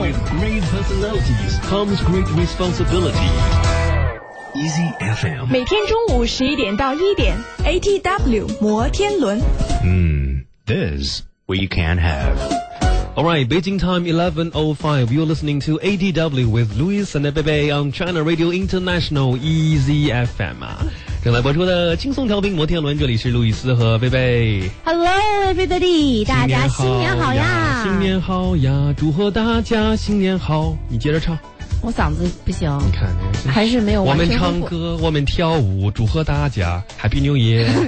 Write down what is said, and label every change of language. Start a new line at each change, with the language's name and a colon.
English: with great personalities comes great responsibility Easy FM
Chinese: 每天中午十一点到一点 ATW 摩天轮
English: This what you can have All right, Beijing time 11:05. You're listening to ADW with Louis and Bebe on China Radio International Easy FM.
Chinese: 正在播出的轻松调频摩天轮，这里是路易斯和贝贝。
English: Hello, everybody,
Chinese: 大家新年好呀！新年好呀！祝贺大家新年好！你接着唱。我嗓子不行。你看，还是没有。我们唱歌，我们跳舞，祝贺大家
English: Happy New Year。